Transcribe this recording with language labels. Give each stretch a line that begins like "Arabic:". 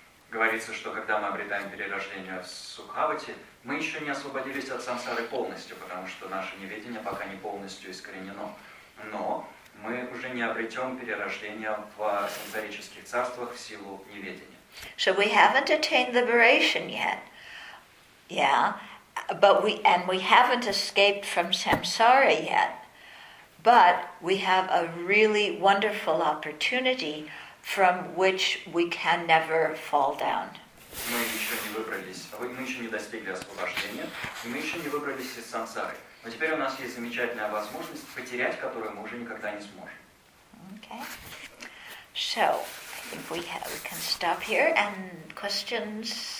Russian: Говорится, что когда мы обретаем перерождение в Сукхавати, мы еще не освободились от самсары полностью, потому что наше неведение пока не полностью искоренено. Но мы уже не обретем перерождение в самсарических царствах в силу неведения.
English: So we haven't attained liberation yet. Yeah. But we haven't escaped from samsara yet. But we have a really wonderful opportunity from which we can never fall down.
Russian: Мы еще не достигли освобождения, и мы еще не выбрались из самсары. Но теперь у нас есть замечательная возможность, потерять которую мы уже никогда не сможем.
English: Okay. So, I think we can stop here and questions.